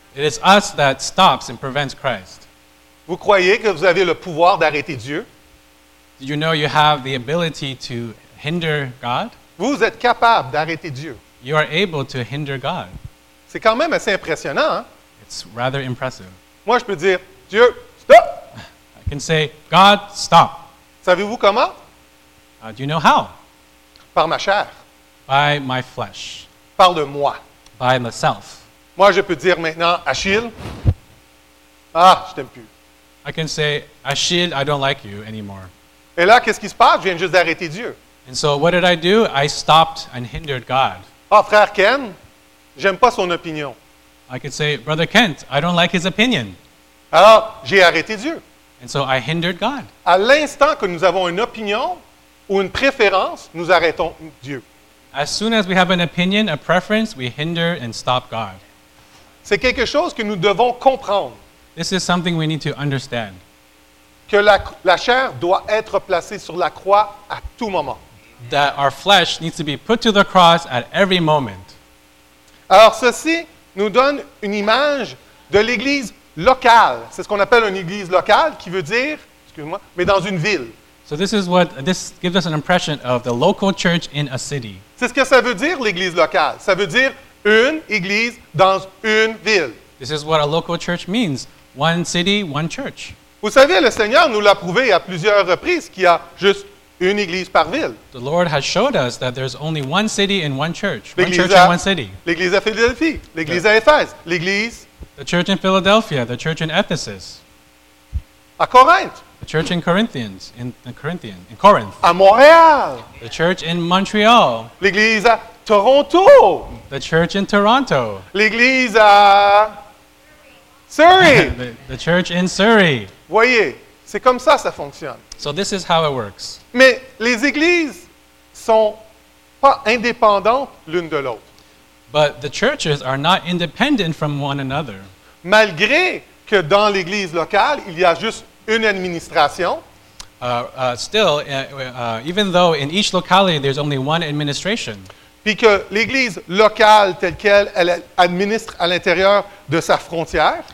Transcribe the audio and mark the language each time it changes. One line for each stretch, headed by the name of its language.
English: It is us that stops and prevents Christ.
French: Vous croyez que vous avez le pouvoir d'arrêter Dieu?
English: Do you know you have the ability to hinder God?
French: Vous êtes capable d'arrêter Dieu.
English: You are able to hinder God.
French: C'est quand même assez impressionnant. Hein?
English: It's rather impressive.
French: Moi, je peux dire, Dieu, stop!
English: I can say, God, stop.
French: Savez-vous comment?
English: Do you know how?
French: Par ma chair.
English: By my flesh.
French: Par le moi.
English: By myself.
French: Moi, je peux dire maintenant, Achille, je t'aime plus.
English: I can say, Achille, I don't like you anymore.
French: Et là, qu'est-ce qui se passe? Je viens juste d'arrêter Dieu.
English: And so, what did I do? I stopped and hindered God.
French: Ah, frère Ken, j'aime pas son opinion.
English: I could say, brother Kent, I don't like his opinion.
French: Alors, j'ai arrêté Dieu.
English: And so, I hindered God.
French: À l'instant que nous avons une opinion ou une préférence, nous arrêtons Dieu.
English: As soon as we have an opinion, a preference, we hinder and stop God.
French: C'est quelque chose que nous devons comprendre.
English: This is something we need to understand.
French: Que la chair doit être placée sur la croix à tout moment.
English: That our flesh needs to be put to the cross at every moment.
French: Alors ceci nous donne une image de l'église locale. C'est ce qu'on appelle une église locale qui veut dire, excuse-moi, mais dans une ville.
English: So this gives us an impression of the local church in a city.
French: C'est ce que ça veut dire l'église locale. Ça veut dire une église dans une ville.
English: This is what a local church means. One city, one church.
French: Vous savez, le Seigneur nous l'a prouvé à plusieurs reprises qu'il y a juste une église par ville.
English: The Lord has showed us that there's only one city and one church.
French: L'église
English: one church and one city.
French: L'église à Philadelphie, l'église à Éphèse, l'église...
English: The church in Philadelphia, the church in Ephesus.
French: À Corinth.
English: The church in Corinthians, in Corinth.
French: À Montréal.
English: The church in Montreal.
French: L'église à Toronto.
English: The church in Toronto.
French: L'église à... Surrey.
English: the church in Surrey.
French: Voyez, c'est comme ça, ça fonctionne.
English: So this is how it works.
French: Mais les églises sont pas indépendantes l'une de l'autre.
English: But the churches are not independent from one another.
French: Malgré que dans l'église locale, il y a juste une administration.
English: Even though in each locality there's only one administration.
French: Puis que l'église locale telle quelle, elle administre à l'intérieur de sa frontière.